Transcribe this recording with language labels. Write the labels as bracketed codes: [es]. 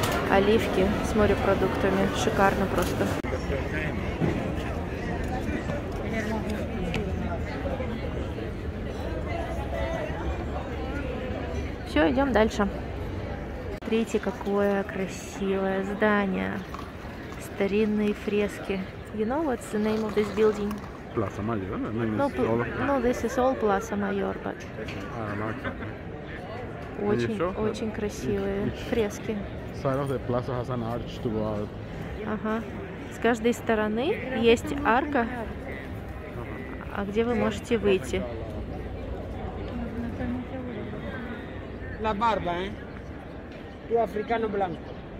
[ru] Оливки с морепродуктами, шикарно просто. Все, идем дальше. Смотрите, какое красивое здание. Старинные фрески. [en] You know what's the name of this building? Plaza Mayor. No, this is all Plaza Mayor, but... [ru] Очень красивые фрески. [en] Side of the plaza has an arch to go out. [ru] Ага. С каждой стороны есть арка, а где вы можете выйти? [es] La barba, eh? Tu africano blanco.